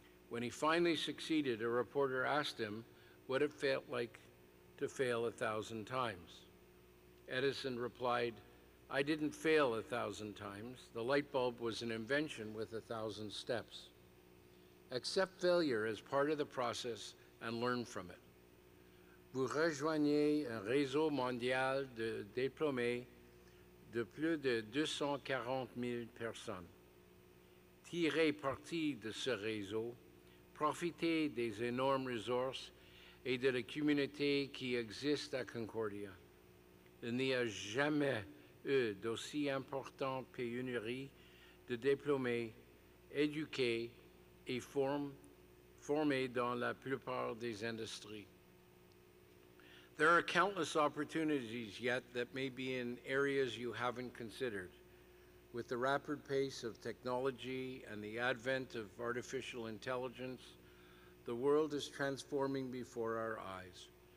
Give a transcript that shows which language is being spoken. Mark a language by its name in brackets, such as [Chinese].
[English] When he finally succeeded, a reporter asked him what it felt like to fail 1,000 times. Edison replied, "I didn't fail 1,000 times. The light bulb was an invention with 1,000 steps." Accept failure as part of the process and learn from it. [French] Vous rejoignez un réseau mondial de diplômés de plus de 240 000 personnes. Tirez parti de ce réseau, profitez des énormes ressources et de la communauté qui existe à Concordia. Il n'y a jamais eu d'aussi importante pénurie de diplômés éduqués et formés dans la plupart des industries. [English] There are countless opportunities yet that may be in areas you haven't considered. With the rapid pace of technology and the advent of artificial intelligence, the world is transforming before our eyes.